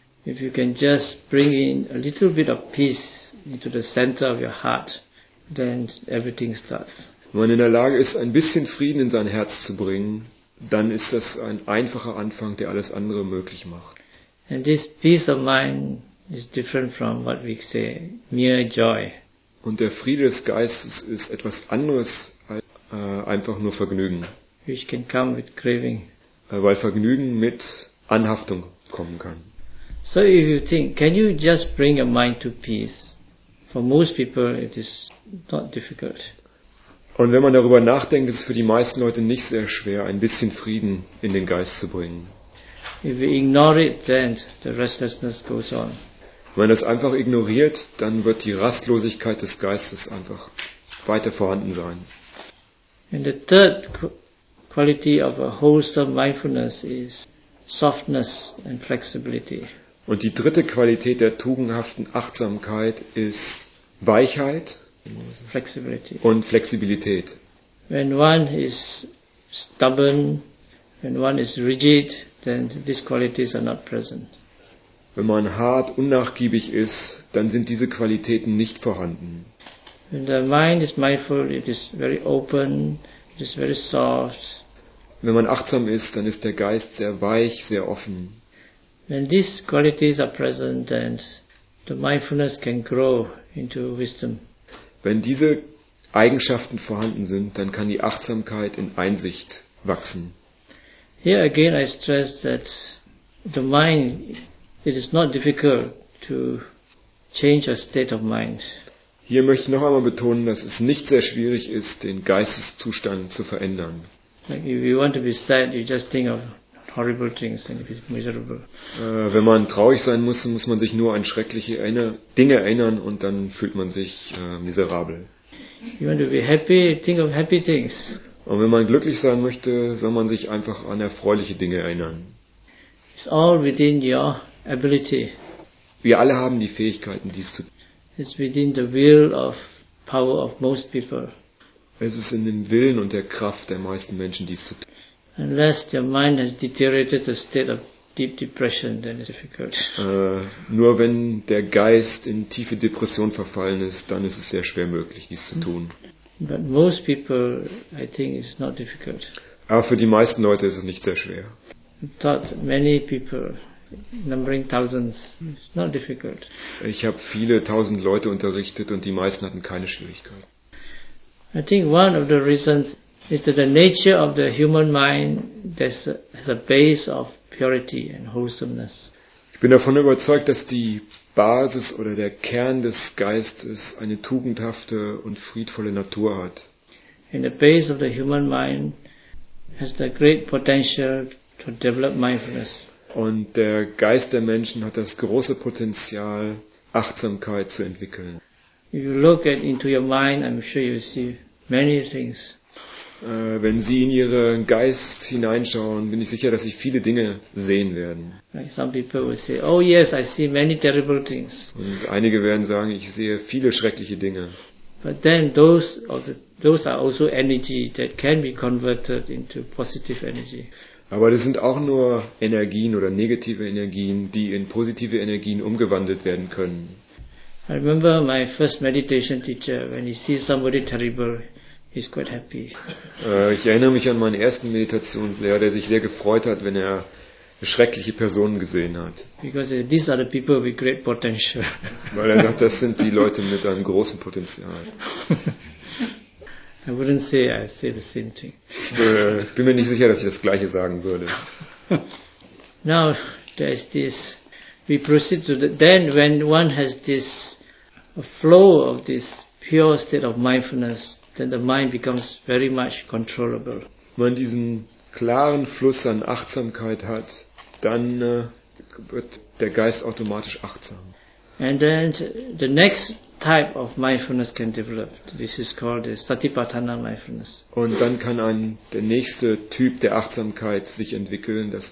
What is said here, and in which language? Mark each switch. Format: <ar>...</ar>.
<en>If you can just bring in a little bit of peace into the center of your heart, then everything starts.</en> <de>Wenn man in der Lage ist, ein bisschen Frieden in sein Herz zu bringen, dann ist das ein einfacher Anfang, der alles andere möglich macht.</de> <en>And this peace of mind is different from what we say, mere joy.</en> <de>Und der Friede des Geistes ist etwas anderes als einfach nur Vergnügen.</de> <en>Which can come with craving.</en> <de>Weil Vergnügen mit Anhaftung kommen kann.</de> <en>So if you think, can you just bring your mind to peace? For most people it is not difficult.</en> <de>Und wenn man darüber nachdenkt, ist es für die meisten Leute nicht sehr schwer, ein bisschen Frieden in den Geist zu bringen.</de> <en>If we ignore it, then the restlessness goes on.</en> <de>Wenn man das einfach ignoriert, dann wird die Rastlosigkeit des Geistes einfach weiter vorhanden sein.</de> <en>And the third quality of a wholesome mindfulness is softness and flexibility.</en> <de>Und die dritte Qualität der tugendhaften Achtsamkeit ist Weichheit und Flexibilität.</de> <en>When one is stubborn, When one is rigid, then these qualities are not present.</en> <de>Wenn man hart, unnachgiebig ist, dann sind diese Qualitäten nicht vorhanden.</de> <en>When the mind is mindful, it is very open, it is very soft.</en> <de>Wenn man achtsam ist, dann ist der Geist sehr weich, sehr offen.</de> <en>When these qualities are present, then the mindfulness can grow into wisdom.</en> <de>Wenn diese Eigenschaften vorhanden sind, dann kann die Achtsamkeit in Einsicht wachsen.</de> <en>Here again I stress that the mind, it is not difficult to change a state of mind.</en> <de>Hier möchte ich noch einmal betonen, dass es nicht sehr schwierig ist, den Geisteszustand zu verändern.</de> <en>Like if you want to be sad, you just think of horrible things and be miserable.</en> <de>Wenn man traurig sein muss, muss man sich nur an schreckliche Dinge erinnern und dann fühlt man sich miserabel.</de> <en>You want to be happy, think of happy things.</en> <de>Und wenn man glücklich sein möchte, soll man sich einfach an erfreuliche Dinge erinnern.</de> <en>It's all within your ability.</en> <de>Wir alle haben die Fähigkeiten, dies zu tun.</de> <en>It's within the will of power of most people.</en> <de>Es ist in dem Willen und der Kraft der meisten Menschen, dies zu tun.</de> <en>Unless your mind has deteriorated to a state of deep depression, then it's difficult.</en> <de>Nur wenn der Geist in tiefe Depression verfallen ist, dann ist es sehr schwer möglich, dies zu tun.</de> <en>But most people, I think, it's not difficult.</en> <de>Aber für die meisten Leute ist es nicht sehr schwer.</de> <en>Taught many people, numbering thousands, it's not difficult.</en> <de>Ich habe viele tausend Leute unterrichtet und die meisten hatten keine Schwierigkeiten.</de> <en>I think one of the reasons is that the nature of the human mind has a base of purity and wholesomeness.</en> <de>Ich bin davon überzeugt, dass die Basis oder der Kern des Geistes eine tugendhafte und friedvolle Natur hat.</de> <en>And the base of the human mind has the great potential to develop mindfulness.</en> <de>Und der Geist der Menschen hat das große Potenzial, Achtsamkeit zu entwickeln.</de> <en>If you look at into your mind, I'm sure you see many things.</en> <de>Wenn Sie in Ihren Geist hineinschauen, bin ich sicher, dass Sie viele Dinge sehen werden.</de> <en>Some people will say, oh yes, I see many terrible things.</en> <de>Und einige werden sagen, ich sehe viele schreckliche Dinge.</de> <en>But then those are also energy that can be converted into positive energy.</en> <de>Aber das sind auch nur Energien oder negative Energien, die in positive Energien umgewandelt werden können.</de> <en>I remember my first meditation teacher, when he sees somebody terrible, he's quite happy.</en> <de>Ich erinnere mich an meinen ersten Meditationslehrer, der sich sehr gefreut hat, wenn er schreckliche Personen gesehen hat.</de> <en>Because these are the people with great potential.</en> <de>Weil er sagt, das sind die Leute mit einem großen Potenzial.</de> <en>I wouldn't say I say the same thing.</en> <de>Ich bin mir nicht sicher, dass ich das Gleiche sagen würde.</de> <en>Now there is this. We proceed to the. Then when one has this flow of this pure state of mindfulness, then the mind becomes very much controllable.</en> <de>Wenn man diesen klaren Fluss an Achtsamkeit hat, dann wird der Geist automatisch achtsam.</de> <en>And then the next type of mindfulness can develop. This is called the Satipatthana mindfulness.</en> <de>Und dann kann der nächste Typ der Achtsamkeit sich entwickeln.</de>